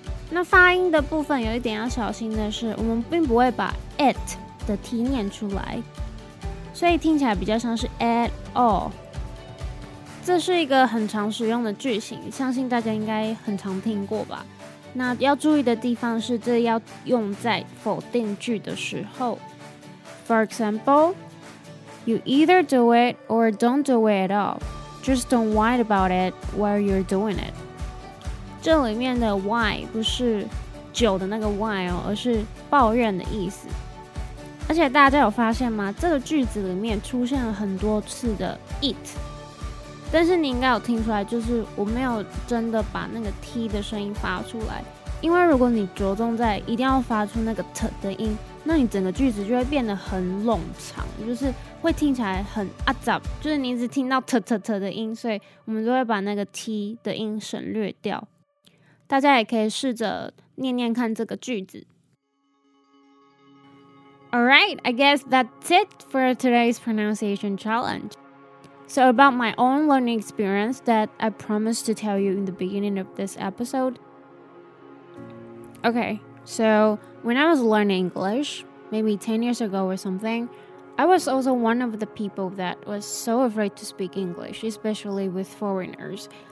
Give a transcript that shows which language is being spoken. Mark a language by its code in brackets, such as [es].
[zh] 那发音的部分有一点要小心的是，我们并不会把 at 的 T 念出来，所以听起来比较像是 [en] at all。 [zh] 这是一个很常使用的句型，相信大家应该很常听过吧。那要注意的地方是，这要用在否定句的时候。 [en] For example, You either do it or don't do it at all. Just don't whine about it while you're doing it. [zh] 这里面的 why 不是酒的那个 why 哦，而是抱怨的意思。而且大家有发现吗？这个句子里面出现了很多次的 it， 但是你应该有听出来，就是我没有真的把那个 t 的声音发出来。因为如果你着重在一定要发出那个 t 的音，那你整个句子就会变得很冗长，就是会听起来很阿杂，就是你一直听到 t t t 的音，所以我们就会把那个 t 的音省略掉。大家也可以试着念念看这个句子。 [en] Alright, I guess that's it for today's pronunciation challenge. So about my own learning experience that I promised to tell you in the beginning of this episode. Okay, So when I was learning English, maybe 10 years ago or something, I was also one of the people that was so afraid to speak English, especially with foreigners.